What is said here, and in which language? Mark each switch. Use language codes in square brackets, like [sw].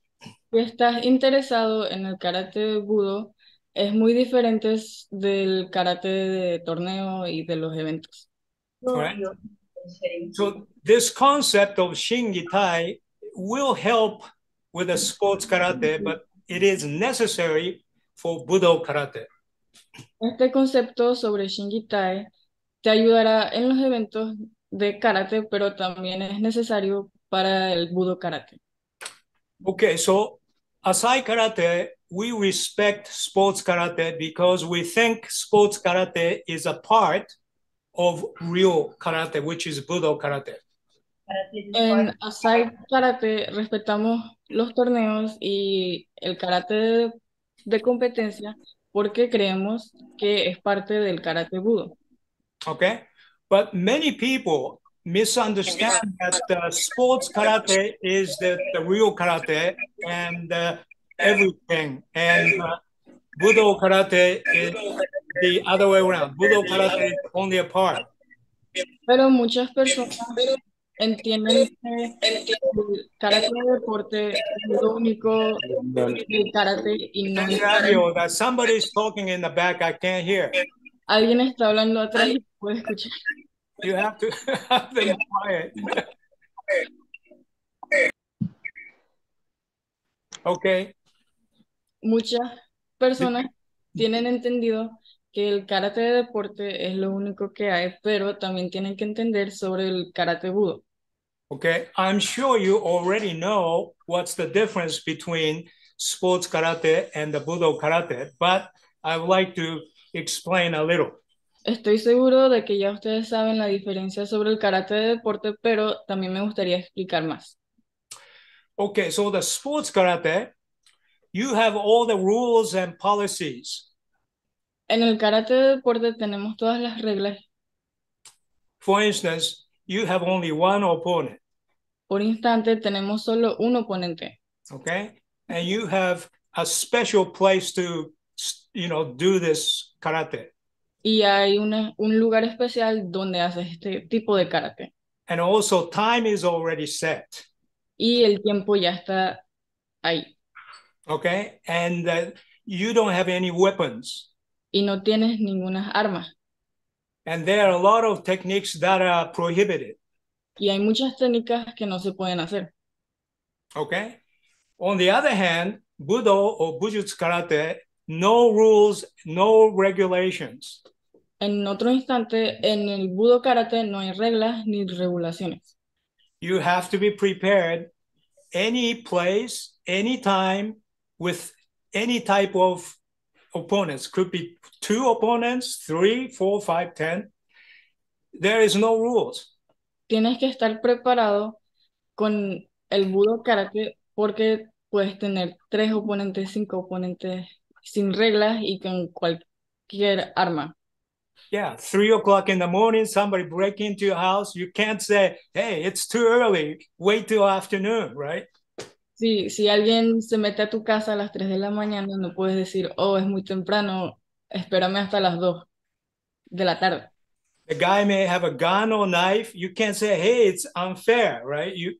[es] Si estás interesado en el karate de Budo, es muy diferente del karate de torneo y de los eventos. [en] Right. So this concept of Shin Gi Tai will help with the sports karate, but it is necessary for Budo karate. [es] Este concepto sobre Shin Gi Tai te ayudará en los eventos de karate, pero también es necesario para el Budo karate. [en] Okay, so Asai karate, we respect sports karate because we think sports karate is a part of real karate, which is Budo karate. [es] En Asai karate respetamos los torneos y el karate de competencia porque creemos que es parte del karate Budo. [en] Okay, but many people misunderstand that the sports karate is the real karate and everything, and Budo karate is the other way around. Budo karate is only a part. [es] Pero muchas personas entienden que el karate de deporte es lo único que el karate y no el karate. [en] That somebody is talking in the back, I can't hear. [es] Alguien está hablando atrás y puede escuchar. [en] You have to have them quiet. Okay. [es] Muchas personas tienen entendido que el karate de deporte es lo único que hay, pero también tienen que entender sobre el karate budo. [en] Okay, I'm sure you already know what's the difference between sports karate and the budo karate, but I would like to explain a little. [es] Estoy seguro de que ya ustedes saben la diferencia sobre el karate de deporte, pero también me gustaría explicar más. [en] Okay, so the sports karate, you have all the rules and policies. [es] En el karate de deporte tenemos todas las reglas. [en] For instance, you have only one opponent. [es] Por instante, tenemos solo un oponente. [en] Okay, and you have a special place to, you know, do this karate. [es] Y hay un lugar especial donde haces este tipo de karate. [en] And also, time is already set. [es] Y el tiempo ya está ahí. [en] Okay, and you don't have any weapons. [es] Y no tienes ninguna arma. [en] And there are a lot of techniques that are prohibited. [es] Y hay muchas técnicas que no se pueden hacer. [en] Okay. On the other hand, Budo or Bujutsu Karate, no rules, no regulations. [es] En otro instante, en el Budo Karate no hay reglas ni regulaciones. [en] You have to be prepared any place, any time, with any type of opponents. Could be two opponents, three, four, five, ten. There is no rules. [es] Tienes que estar preparado con el Budo Karate porque puedes tener tres oponentes, cinco oponentes, sin reglas y con cualquier arma. [en] Yeah, 3 o'clock in the morning, somebody break into your house. You can't say, hey, it's too early. Wait till afternoon, right? [es] Sí, si alguien se mete a tu casa a las 3 de la mañana, no puedes decir, oh, es muy temprano, espérame hasta las 2 de la tarde. [en] A guy may have a gun or knife, you can't say, hey, it's unfair, right?